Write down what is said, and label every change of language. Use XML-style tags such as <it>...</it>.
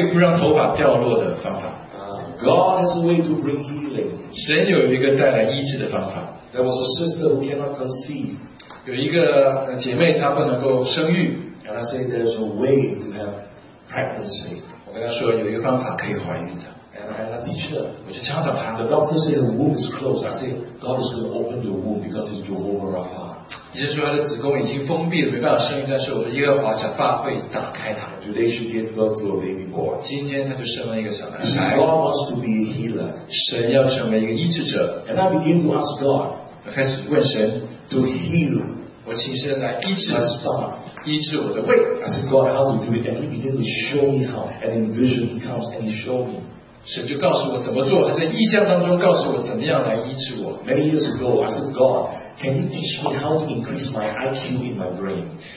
<zh>我告诉你个怎么样可以不让头发掉落的方法.</zh> <en>God has a way to bring healing.</en> <zh>神有一个带来医治的方法.</zh> <en>There was a sister who cannot conceive.</en> <zh>有一个姐妹她不能够生育.</zh> <en>And I say there's a way to have pregnancy.</en> <zh>我跟她说有一个方法可以怀孕的.</zh> <en>And I teach her.</en> <zh>我就教导他,</zh> <en>the doctor said the womb is closed. I say, God is going to open your womb because it's Jehovah Rapha.</en> <zh>医生说他的子宫已经封闭了，没办法生育，但是我们耶和华拉法会打开它.</zh> <en>Today she gave birth to a baby boy.</en> <zh>今天他就生了一个小男孩.</zh> <en>God wants to be a healer.</en> <zh>神要成为一个医治者.</zh> <en>And I begin to ask God.</en> <zh>我开始问神,</zh> <en>to heal.</en> <zh>我请神来医治.</zh> <en>My stomach.</en> <zh>医治我的胃.</zh> <en>I said, God, how to do it? And he began to show me how. And in vision he comes and he showed me.</en> <zh>神就告诉我怎么做，他在异象当中告诉我怎么样来医治我。</zh> <en>Many years ago, I said, God, can you teach me how to increase my IQ in my brain?</en>